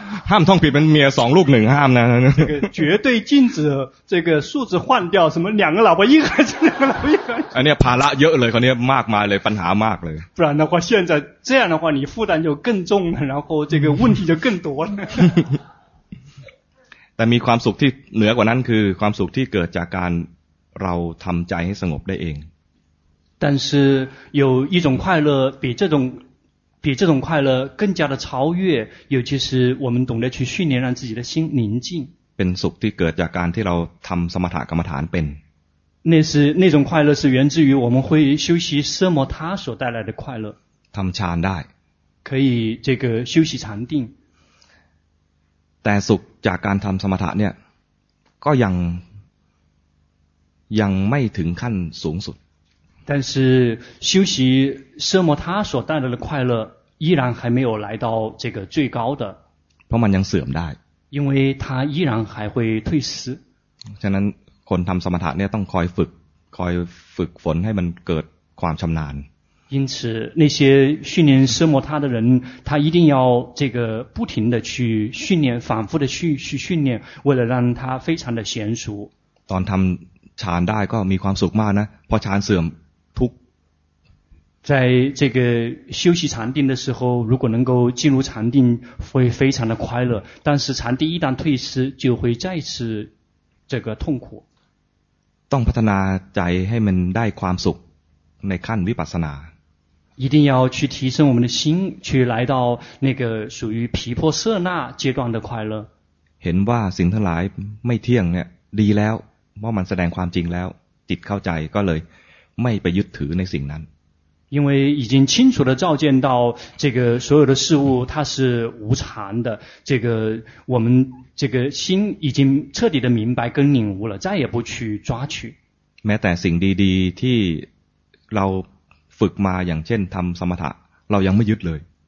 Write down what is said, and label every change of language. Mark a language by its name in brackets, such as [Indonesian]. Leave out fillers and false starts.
[Thai] ห้ามท่องผิดเป็นเมียสองลูกหนึ่งห้ามนะ [Chinese] 这个绝对禁止这个数字换掉，什么两个老婆一个孩子，两个老婆一个孩子。 [Thai] อันนี้ภาระเยอะเลยคนนี้มากมายเลยปัญหามากเลย。 [Chinese] 不然的话，现在这样的话，你负担就更重了，然后这个问题就更多了。 [Thai] แต่มีความสุขที่เหนือกว่านั้นคือความสุขที่เกิดจากการเราทำใจให้สงบได้เอง [Chinese] 但是有一种快乐比这种快乐更加的超越尤其是我们懂得去训练让自己的心宁静 [Thai] เป็นสุขที่เกิดจากการที่เราทำสมถะกรรมฐานเป็น [Chinese] 那种快乐是源自于我们会修习奢摩他所带来的快乐 [Thai] ทำฌานได้ [Chinese] 可以这个修习禅定 [Thai] แต่สุขจากการทำสมถะเนี่ยก็ยังไม่ถึงขั้นสูงสุด [Chinese] 但是修习奢摩他所带来的快乐依然还没有来到这个最高的 [Thai] เพราะมันยังเสื่อมได้ [Chinese] 因为它依然还会退失 [Thai] ฉะนั้นคนทำสมถะเนี่ยต้องคอยฝึกฝนให้มันเกิดความชำนาญ [Chinese] 因此那些训练奢摩他的人他一定要这个不停的去训练反复的去训练为了让他非常的娴熟 [Thai] ตอนทำฌานได้ก็มีความสุขมากนะพอฌานเสื่อมทุก [Chinese] 在这个休息禅定的时候如果能够进入禅定会非常的快乐但是禅定一旦退失就会再次这个痛苦 [Thai] ต้องพัฒนาใจให้มันได้ความสุขในขั้นวิปัสสนา [Chinese] 一定要去提升我们的心去来到那个属于毗婆舍那阶段的快乐 [Thai] เห็นว่าสิ่งทั้งหลายไม่เที่ยงเนี่ยดีแล้วเมื่อมันแสดงความจริงแล้วจิตเข้าใจก็เลยไม่ไปยึดถือในสิ่งนั้น [Chinese] 因为已经清楚地照见到这个所有的事物它是无常的这个我们这个心已经彻底的明白跟领悟了再也不去抓取 [Thai] แม้แต่สิ่งดีๆที่เราฝึกมาอย่างเช่นทำสมถะเรายังไม่ยึดเลย